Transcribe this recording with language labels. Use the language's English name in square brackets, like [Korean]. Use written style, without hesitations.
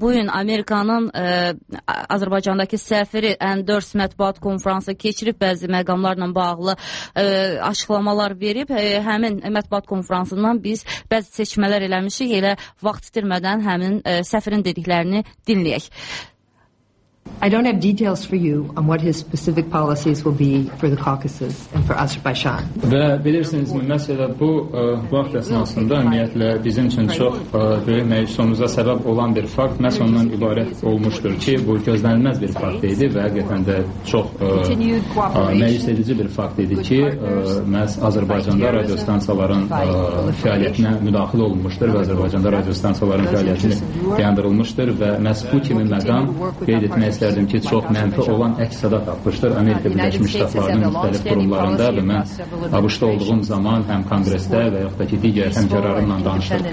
[Azerbaijani] Bugün Amerikanın Azərbaycandakı səfiri N4 mətbuat konferansı keçirib, bəzi məqamlarla bağlı açıqlamalar verib, həmin mətbuat konferansından biz bəzi seçmələr eləmişik, elə vaxt itirmədən həmin səfirin dediklərini dinləyək. [English] I don't have details for you on what his specific policies will be for the Caucasus and for Azerbaijan. [Azerbaijani] Ve bilirsiniz mi, mesela bu vaxt əsnasında ümumiyyətlə bizim için çok büyük məyusumuza səbəb olan bir fakt məhz ondan ibarət olmuşdur ki, bu gözlənilməz bir fakt idi və həqiqətən də çox məyus edici bir fakt idi ki, məhz Azerbaycanda radiostansiyaların fəaliyyətinə müdaxil olunmuşdur və Azerbaycanda radiostansiyaların fəaliyyətini dayandırılmışdır və məhz bu kimi məqam qeyd etmək istərdim ki, çox mənfi olan əks səda tapmışdır Amerika Birləşmiş Ştatlarının müxtəlif qurumlarında və mən ABŞ-da olduğum zaman həm Konqresdə və yaxud da ki, digər həmkarlarımla danışdım.